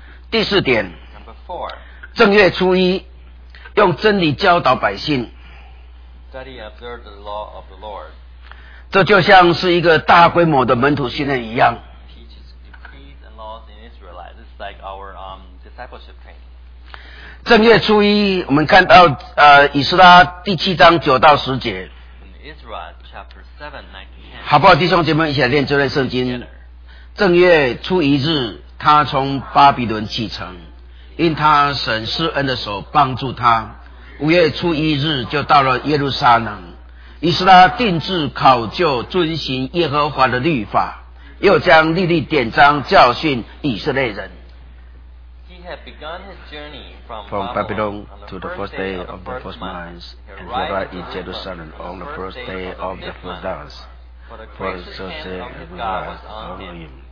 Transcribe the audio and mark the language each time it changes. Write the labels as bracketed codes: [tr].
[zh] 第四点，正月初一用真理教导百姓。 [en] Study and observe the law of the Lord. [zh] 这就像是一个大规模的门徒训练一样。 [en] Teaches decrees and laws in Israelite. This is like our discipleship training. [zh] 正月初一我们看到以斯拉第七章九到十节。 [en] In Israel chapter 7, 9-10. [zh] 好不好弟兄姐妹一起来练这段圣经。正月初一日他从巴比伦启程，因他神施恩的手帮助他，五月初一日就到了耶路撒冷。于是他定制考究，遵行耶和华的律法，又将律例典章教训以色列人。 [en] He had begun his journey from Babylon to the first day of the first month, and arrived in Jerusalem on the first day of the first month. For the gracious hand of the Lord was on him.